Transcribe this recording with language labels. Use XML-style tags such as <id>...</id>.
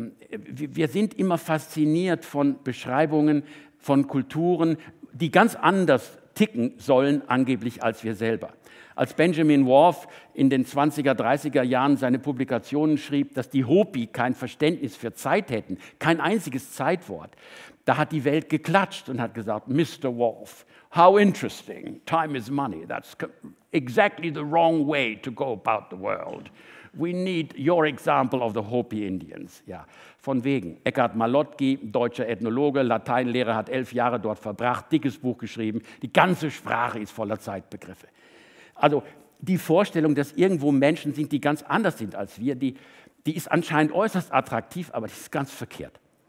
<de>Wir sind immer fasziniert von Beschreibungen, von Kulturen, die ganz anders ticken sollen angeblich als wir selber. Als Benjamin Whorf in den 20er, 30er Jahren seine Publikationen schrieb, dass die Hopi kein Verständnis für Zeit hätten, kein einziges Zeitwort, da hat die Welt geklatscht und hat gesagt, Mr.</de> <en>Whorf, how interesting, time is money, that's exactly the wrong way to go about the world. We need your example of the Hopi Indians.</en> <de>Ja, von wegen. Eckhard Malotki, deutscher Ethnologe, Lateinlehrer, hat 11 Jahre dort verbracht, dickes Buch geschrieben. Die ganze Sprache ist voller Zeitbegriffe. Also die Vorstellung, dass irgendwo Menschen sind, die ganz anders sind als wir, die ist anscheinend äußerst attraktiv, aber die ist ganz verkehrt.</de>